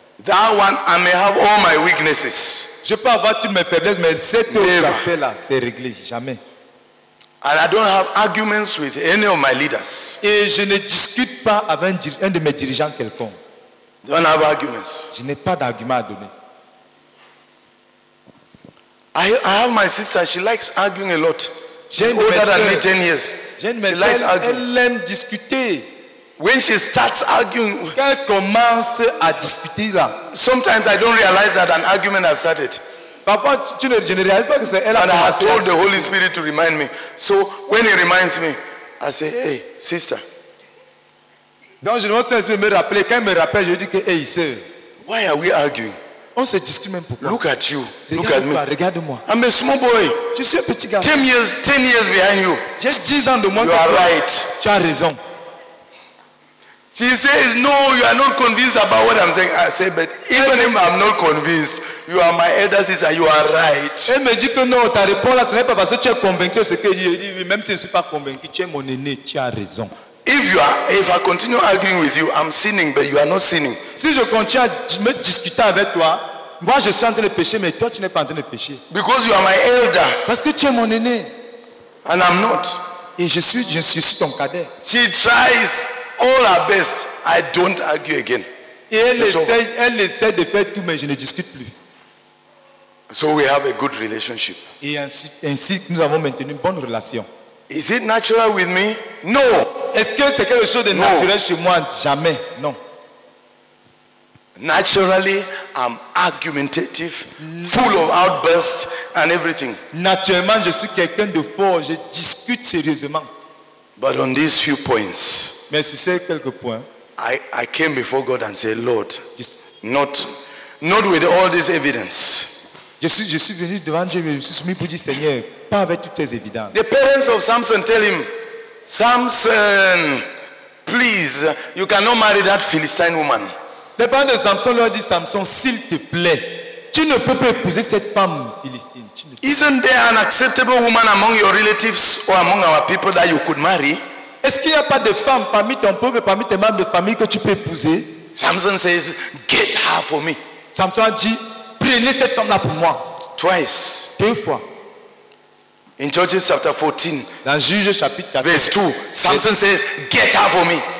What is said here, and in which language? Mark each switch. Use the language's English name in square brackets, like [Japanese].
[English] That one, I may have all my weaknesses. [French] Je peux avoir toutes mes faiblesses, mais cet autre aspect là, c'est réglé. Jamais. [English] And I don't have arguments with any of my leaders. [French] Et je ne discute pas avec un de mes dirigeants quelconque. [English] Don't have arguments. [French] Je n'ai pas d'argument à donner. [English] I have my sister. She likes arguing a lot. She's older than me 10 years. She likes arguing. [French] Elle aime discuter. [English] When she starts arguing, [French] quand elle commence à discuter là, [English] sometimes I don't realize that an argument has started. [French] Parfois, tu ne réalises pas que c'est elle. [English] And I have told the Holy Spirit to remind me. So when he reminds me, I say, hey, sister, [French] Donc je ne sais pas si je me rappelle. Quand il me rappelle, je dis que, hey, sœur. [English] Why are we arguing? [French] On se discute même pourquoi. [English] Look at you. [French] Regarde [English] look at me. [French] Regarde-moi. [English] I'm a small boy. [French] Je suis un petit gars. [English] 10 years behind you. [French] J'ai 10 ans de moins. [English] You are right. [French] Tu as raison. [English] She says, no, you are not convinced about what I'm saying. I say, but even if I'm not convinced, you are my elder sister, you are right. [French] Elle me dit que non, ta réponse là, ce n'est pas parce que tu es convaincu de ce que je dis. Même si je ne suis pas convaincu, tu es mon aîné, tu as raison. [English] If I continue arguing with you, I'm sinning, but you are not sinning. [French] Si je continue à me discuter avec toi, moi je suis en train de pécher, mais toi tu n'es pas en train de pécher. [English] Because you are my elder. [French] Parce que tu es mon aîné. [English] And I'm not. [French] Et je suis ton cadet. [English] She tries all her best. I don't argue again. [French] Et elle essaie de faire tout, mais je ne discute plus. [English] So we have a good relationship. [French] Et ainsi nous avons maintenu une bonne relation. [English] Is it natural with me? No. [French] Est-ce que c'est quelque chose de naturel chez moi? Jamais. Non. [English] Naturally, I'm argumentative, full of outbursts and everything. [French] Naturellement, je suis quelqu'un de fort. Je discute sérieusement. [English] But on these few points, [French] mais sur ces quelques points, [English] I came before God and said, Lord, not with all this evidence. [French] Je suis venu devant Dieu, mais je suis soumis pour dire, Seigneur, pas avec toutes ces évidences. [English] The parents of Samson tell him, Samson, please, you cannot marry that Philistine woman. [French] Les parents de Samson leur disent, Samson, s'il te plaît, tu ne peux pas épouser cette femme philistine. [English] Isn't there an acceptable woman among your relatives or among our people that you could marry? [French] Est-ce qu'il n'y a pas de femme parmi ton peuple, parmi tes membres de famille que tu peux épouser? [English] Samson says, get her for me. [French] Samson a dit, prenez cette femme-là pour moi. [English] Twice. [French] Deux fois. [English] In Judges chapter 14. [French] Dans Juges chapitre 14. [English] Verse 2. Samson says, get her for me.